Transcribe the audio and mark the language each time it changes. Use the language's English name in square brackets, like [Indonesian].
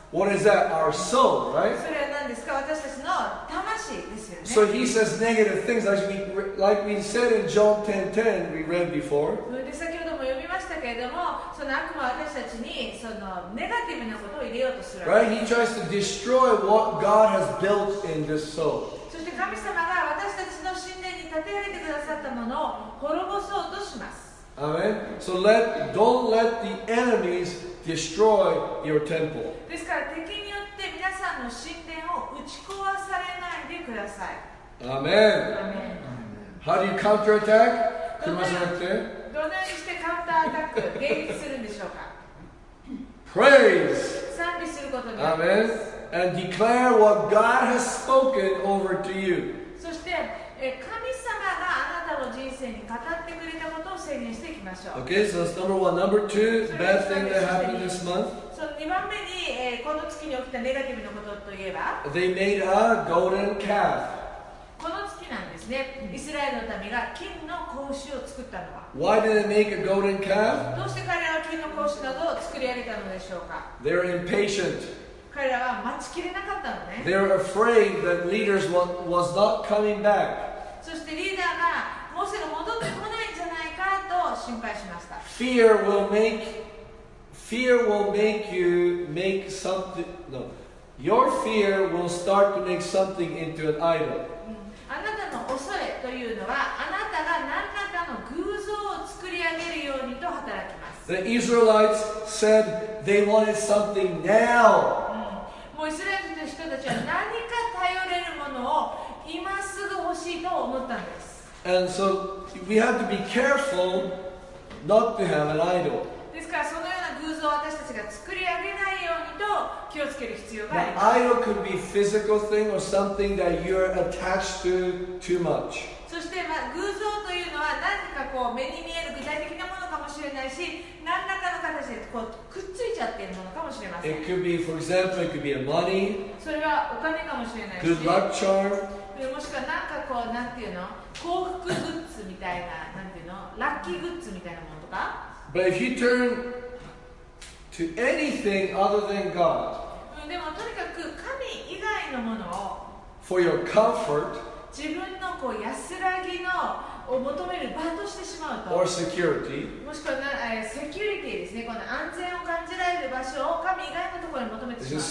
[English] What is that? Our soul, right? [Japanese] それは何ですか？私たちの魂ですよね。 [English] So he says negative things, like we said in John 10:10, we read before. [Japanese] で先ほども読みましたけれども、その悪魔は私たちにそのネガティブなことを入れようとする。 [English] Right? He tries to destroy what God has built in this soul. [Japanese] そして神様が私たちの神殿に建て上げてくださったものを滅ぼそうとします。 [English] Amen. So don't let the enemies destroy your temple. [Japanese] ですから敵によって皆さんの神殿を打ち壊されないでください。 [English] Amen. How do you counterattack? [Japanese] どのようにしてカウンターアタック迎撃するんでしょうか [English] ？Praise. [Japanese] 賛美することです。Amen. [English] And declare what God has spoken over to you. [Japanese] そして神様があなたの人生に語ってくれたことを宣言していきましょう。 [English] Okay, so that's number one. Number two, bad thing that happened this month. [Japanese] その2番目に、この月に起きたネガティブなことといえば、 [English] They made a golden calf. [Japanese] この月なんですね。イスラエルの民が金の子牛を作ったのは。 [English] Why did they make a golden calf? [Japanese] どうして彼らは金の子牛などを作り上げたのでしょうか。 [English] They're impatient. [Japanese] 彼らは待ちきれなかったのね。 [English] They're afraid that leaders was not coming back. [Japanese] そしてリーダーがモーセが戻ってこないんじゃないかと心配しました。 [English] Your fear will start to make something into an idol. [Japanese] あなたの恐れというのはあなたが何らかの偶像を作り上げるようにと働きます。 [English] The Israelites said they wanted something now. [Japanese] もうイスラエルの人たちは何か頼れるものを今すぐ欲しいと思ったんです。 [English] And so we have to be careful not to have an idol. [Japanese] ですからそのような偶像を私たちが作り上げないようにと気をつける必要があります。 [English] Now, idol could be physical thing or something that you're attached to too much. [Japanese] そして、偶像というのは何かこう目に見える具体的なものかもしれないし、何らかの形でこうくっついちゃっているものかもしれません。 [English] It could be, for example, it could be a money. [Japanese] それはお金かもしれないし。 [English] Good luck charm. [Japanese] もしくは何かこう、なんていうの、幸福グッズみたいな、なんていうの、ラッキーグッズみたいなものとか。 [English] But if you turn to anything other than God, [Japanese] でもとにかく神以外のものを、 [English] for your comfort, [Japanese] 自分のこう安らぎの、を求める場としてしまうと、 [English] or security. [Japanese] もしくはセキュリティですね。この安全を感じられる場所を神以外のところに求めてしまうと、